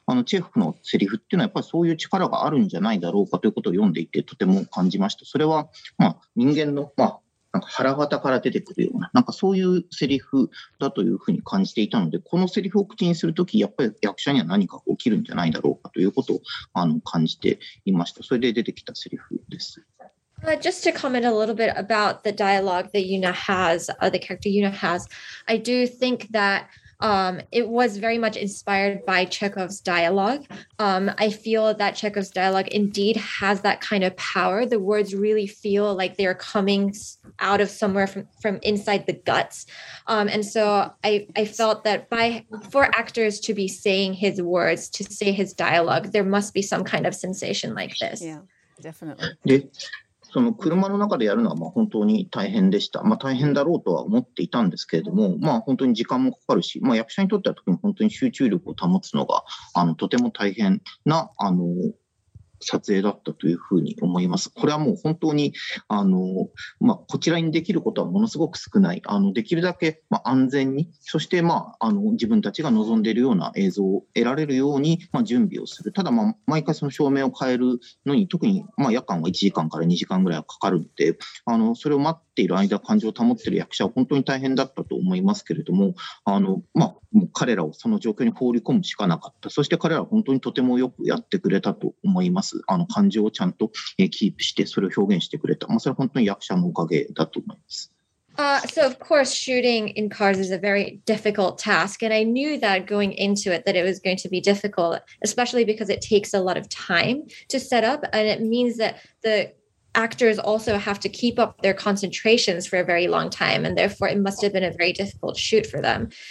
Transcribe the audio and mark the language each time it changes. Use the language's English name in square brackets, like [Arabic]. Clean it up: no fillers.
[Japanese] チェーホフのセリフっていうのはやっぱりそういう力があるんじゃないだろうかということを読んでいてとても感じました。それは、まあ、人間の、まあ、なんか腹型から出てくるような、なんかそういうセリフだというふうに感じていたので、このセリフを口にするとき、やっぱり役者には何か起きるんじゃないだろうかということを感じていました。それで出てきたセリフです。 [English] Just to comment a little bit about the dialogue that Yuna has, the character Yuna has, I do think that it was very much inspired by Chekhov's dialogue. I feel that Chekhov's dialogue indeed has that kind of power. The words really feel like they are coming out of somewhere from inside the guts. And so I felt that for actors to be saying his words, to say his dialogue, there must be some kind of sensation like this. Yeah, definitely. [Japanese] その車の中でやるのはまあ本当に大変でした。まあ、大変だろうとは思っていたんですけれども、まあ、本当に時間もかかるし、まあ、役者にとっては特に本当に集中力を保つのがとても大変な撮影だったというふうに思います。これはもう本当にまあ、こちらにできることはものすごく少ない。できるだけまあ安全に、そしてまあ自分たちが望んでいるような映像を得られるようにまあ準備をする。ただまあ毎回その照明を変えるのに、特にまあ夜間は1時間から2時間ぐらいはかかるので、それを待っている間、感情を保っている役者は本当に大変だったと思いますけれども、まあ、もう彼らをその状況に放り込むしかなかった。そして彼らは本当にとてもよくやってくれたと思います。感情をちゃんとキープしてそれを表現してくれた、まあ、それは本当に役者のおかげだと思います。 [English] So of course shooting in cars is a very difficult task, and I knew that going into it that it was going to be difficult, especially because it takes a lot of time to set up, and it means that the actors also have to keep up their concentrations for a very long time, and therefore it must have been a very difficult shoot for them.